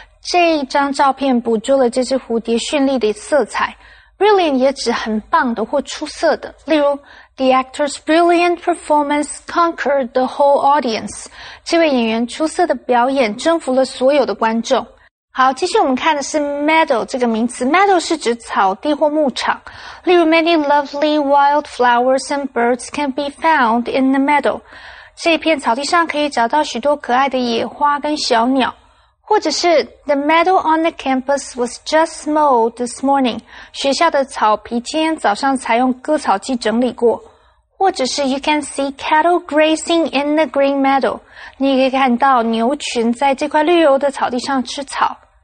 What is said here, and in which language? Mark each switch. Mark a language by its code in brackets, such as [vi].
[zh] 这一张照片捕捉了这只蝴蝶绚丽的色彩。 [en] Brilliant [zh] 也指很棒的或出色的。例如 [en] ，the actor's brilliant performance conquered the whole audience。 [zh] 这位演员出色的表演征服了所有的观众。好，继续我们看的是 meadow 这个名词。meadow 是指草地或牧场。例如 [en] ,many lovely wild flowers and birds can be found in the meadow. [zh] 这一片草地上可以找到许多可爱的野花跟小鸟。或者是 [en] ,the meadow on the campus was just mowed this morning. [zh] 学校的草皮今天早上才用割草机整理过。或者是 [en] ,you can see cattle grazing in the green meadow. [zh] 你也可以看到牛群在这块绿油的草地上吃草。